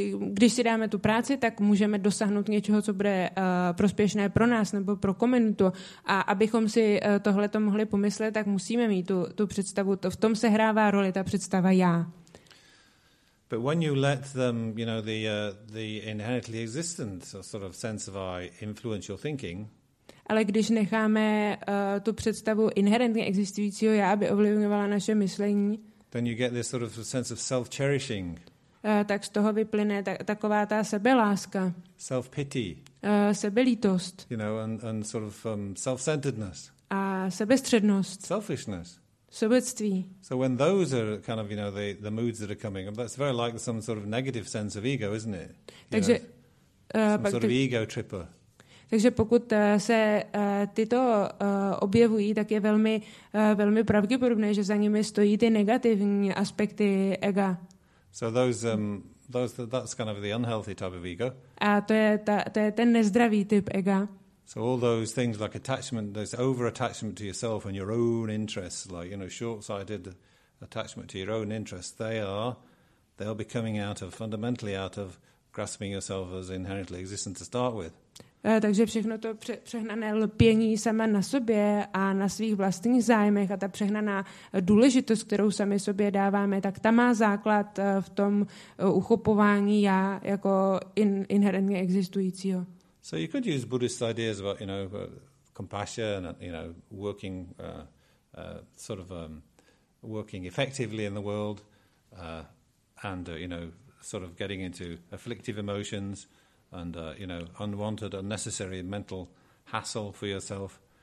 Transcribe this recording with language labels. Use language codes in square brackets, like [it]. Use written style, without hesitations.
[cs] Když si dáme tu práci, tak můžeme dosáhnout něčeho, co bude prospěšné pro nás nebo pro komunitu. A abychom si tohle to mohli pomyslet, tak musíme mít tu představu. To v tom se hrává roli ta představa já. [en] But when you let them, you know, the inherently existent sort of sense of I influence your thinking. [cs] Ale když necháme tu představu inherentně existujícího já, aby ovlivňovala naše myšlení, [en] then you get this sort of sense of self-cherishing. [cs] Tak z toho vyplyne taková ta sebeláska. [en] Self-pity. [cs] Sebelítost. [en] You know, and sort of self-centeredness. [cs] A sebestřednost. [en] Selfishness. [cs] Sobectví. [en] So when those are kind of, you know, the moods that are coming, that's very like some sort of negative sense of ego, isn't it? [cs] Takže, [en] sort of ego tripper. [cs] Takže pokud se tyto objevují, tak je velmi, velmi pravděpodobné, že za nimi stojí ty negativní aspekty ega. [en] So those that's kind of the unhealthy type of ego. [cs] A to je ten nezdravý typ ega. [en] So all those things like attachment, there's over-attachment to yourself and your own interests, like, you know, short-sighted attachment to your own interests, they'll be coming out of, fundamentally out of grasping yourself as inherently existent to start with. [cs] Takže všechno to přehnané lpění sama na sobě a na svých vlastních zájmech a ta přehnaná důležitost, kterou sami sobě dáváme, tak ta má základ v tom uchopování já jako inherentně existujícího. [en] So you could use Buddhist ideas about, you know, compassion and, you know, working sort of working effectively in the world and you know, sort of getting into afflictive emotions and you know, unwanted unnecessary mental hassle for yourself.